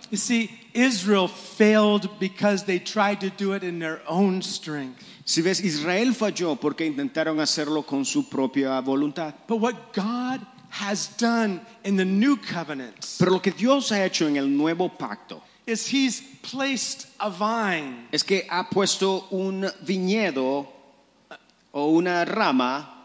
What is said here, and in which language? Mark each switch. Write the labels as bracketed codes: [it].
[en] You see, Israel failed because they tried to do it in their own strength. [es] Si ves, Israel falló porque intentaron hacerlo con su propia voluntad. [en] But what God has done in the new covenant. [es] Pero lo que Dios ha hecho en el nuevo pacto [en] is he's placed a vine. [es] Es que ha puesto un viñedo o una rama.